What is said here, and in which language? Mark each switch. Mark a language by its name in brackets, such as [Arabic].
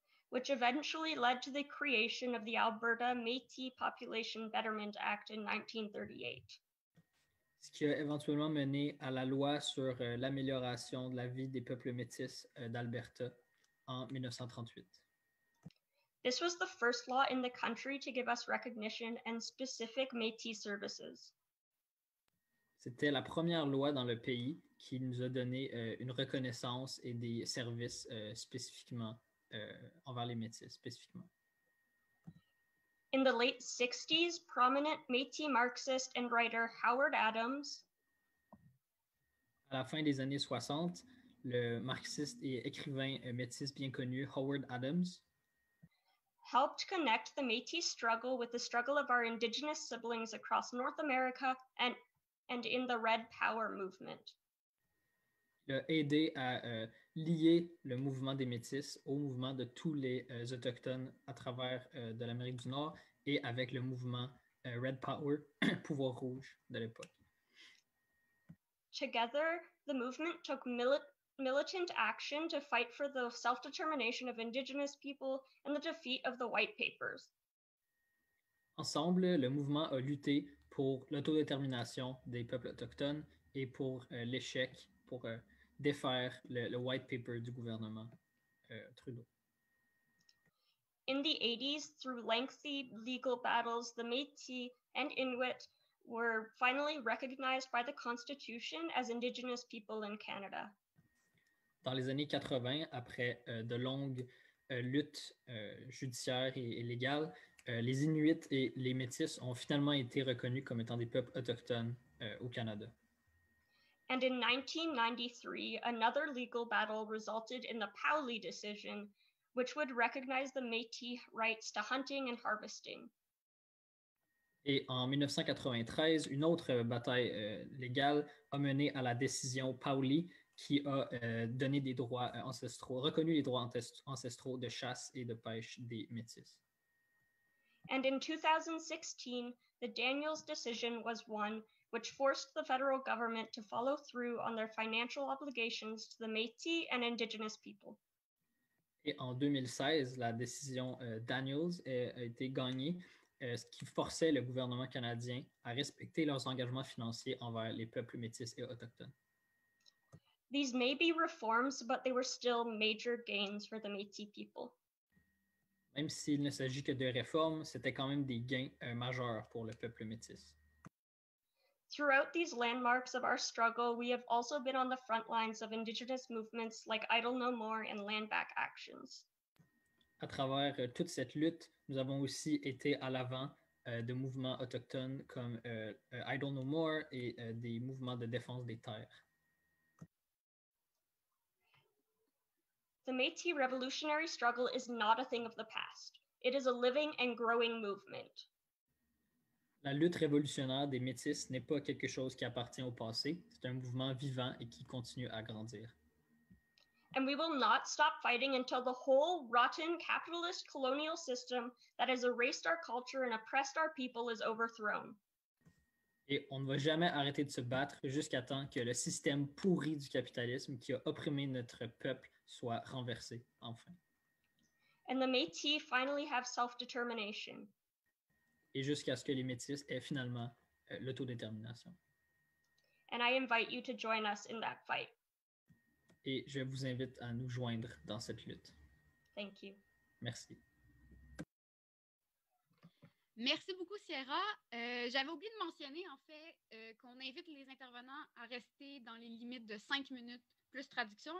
[English] Which eventually led to the creation of the Alberta Métis Population Betterment Act in 1938. [French] Ce qui a éventuellement mené à la loi sur l'amélioration de la vie des peuples métis d'Alberta en 1938. [English] This was the first law in the country to give us recognition and specific Métis services. [French] C'était la première loi dans le pays qui nous a donné une reconnaissance et des services spécifiquement envers les Métis, spécifiquement. [English] In the late 60s, prominent Métis Marxist and writer Howard Adams. [French] À la fin des années 60, le marxiste et écrivain métis bien connu Howard Adams [English] helped connect the Métis struggle with the struggle of our indigenous siblings across North America and in the Red Power movement. [French] Il a aidé à lier le mouvement des Métis au mouvement de tous les autochtones à travers de l'Amérique du Nord et avec le mouvement Red Power, pouvoir rouge de l'époque. [English] Together, the movement took militant action to fight for the self-determination of indigenous people and the defeat of the white papers. [French] Ensemble, le mouvement a lutté pour l'autodétermination des peuples autochtones et pour l'échec, pour défaire le white paper du gouvernement Trudeau. [English] In the 80s, through lengthy legal battles, the Métis and Inuit were finally recognized by the Constitution as indigenous people in Canada. [French] Dans les années 80, après de longues luttes judiciaires et légales, les Inuits et les Métis ont finalement été reconnus comme étant des peuples autochtones au Canada. [English] And in 1993, another legal battle resulted in the Pauli decision, which would recognize the Métis rights to hunting and harvesting. [French] Et en 1993, une autre bataille légale a mené à la décision Pauli, qui a donné des droits ancestraux, reconnu les droits ancestraux de chasse et de pêche des Métis. [English] And in 2016, the Daniels decision was won, which forced the federal government to follow through on their financial obligations to the Métis and Indigenous people. [French] Et en 2016, la décision Daniels a été gagnée, ce qui forçait le gouvernement canadien à respecter leurs engagements financiers envers les peuples Métis et autochtones. [English] These may be reforms, but they were still major gains for the Métis people. [French] Même s'il ne s'agit que de réformes, c'était quand même des gains majeurs pour le peuple métis. [English] Throughout these landmarks of our struggle, we have also been on the front lines of Indigenous movements like Idle No More and Land Back actions. [French] À travers toute cette lutte, nous avons aussi été à l'avant de mouvements autochtones comme Idle No More et des mouvements de défense des terres. [English] The Métis revolutionary struggle is not a thing of the past. It is a living and growing movement. [French] La lutte révolutionnaire des Métis n'est pas quelque chose qui appartient au passé. C'est un mouvement vivant et qui continue à grandir. [English] And we will not stop fighting until the whole rotten capitalist colonial system that has erased our culture and oppressed our people is overthrown. [French] Et on ne va jamais arrêter de se battre jusqu'à temps que le système pourri du capitalisme qui a opprimé notre peuple soit renversé, enfin. [English] And the Métis finally have self-determination. [French] Et jusqu'à ce que les Métis aient finalement l'autodétermination. [English] And I invite you to join us in that fight. [French] Et je vous invite à nous joindre dans cette lutte. [English] Thank you. [French] Merci. Merci beaucoup, Sierra. J'avais oublié de mentionner, en fait, qu'on invite les intervenants à rester dans les limites de 5 minutes plus traduction.